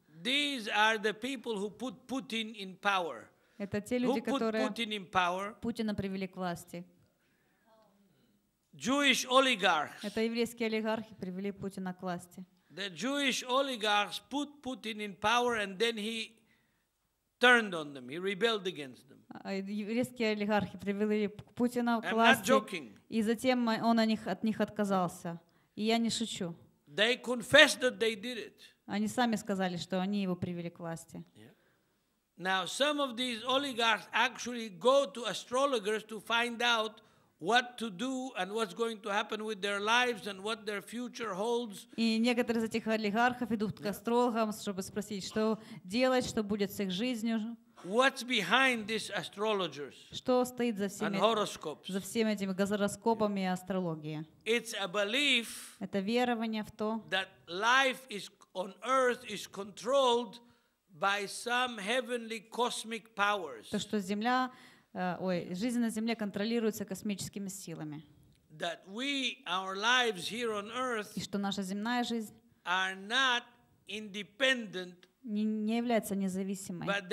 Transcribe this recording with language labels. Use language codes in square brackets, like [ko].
[en] These are the people who put Putin in power. [ru] Это те люди, которые [en] Putin in power? [ru] Путина привели к власти. [en] Jewish oligarchs. [ru] Это еврейские олигархи привели Путина к власти. [en] The Jewish oligarchs put Putin in power and then he turned on them. He rebelled against them. [ru] Еврейские олигархи привели Путина к власти. [en] I'm not joking. [ru] И затем он от них отказался. И я не шучу. [en] They confessed that they did it. [ru] Они сами сказали, что они его привели к власти. [en] Yeah. Now some of these oligarchs actually go to astrologers to find out what to do and what's going to happen with their lives and what their future holds. [ru] И некоторые из этих олигархов идут к астрологам, чтобы спросить, что делать, что будет с их жизнью. [en] What's behind these astrologers? [ru] Что стоит за всеми этими гороскопами и астрологией? [en] It's a belief. [ru] Это верование в то, [en] that life is on earth is controlled by some heavenly cosmic powers. [ru] То, что земля, жизнь на земле контролируется космическими силами. [en] That we, our lives here on earth, [ru] и что наша земная жизнь, [en] are not independent. [ru] Не является независимой.